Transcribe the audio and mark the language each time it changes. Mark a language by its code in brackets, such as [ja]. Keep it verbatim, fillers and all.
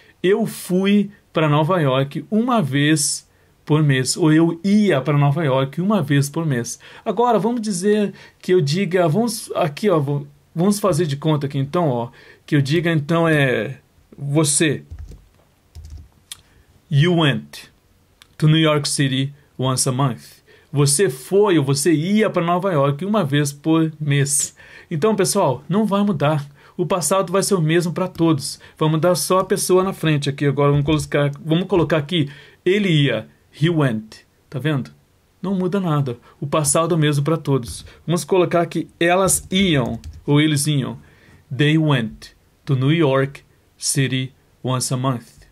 [pt] Eu fui para Nova York uma vez por mês. Ou eu ia para Nova York uma vez por mês. Agora, vamos dizer que eu diga... Vamos aqui, ó... Vamos fazer de conta aqui, então, ó, que eu diga, então, é você. [en] You went to New York City once a month. [pt] Você foi ou você ia para Nova York uma vez por mês. Então, pessoal, não vai mudar. O passado vai ser o mesmo para todos. Vamos dar só a pessoa na frente aqui. Agora vamos colocar, vamos colocar aqui, ele ia, [en] he went. [pt] Tá vendo? Não muda nada. O passado é o mesmo para todos. Vamos colocar aqui, elas iam, ou eles iam. [en] They went to New York City once a month.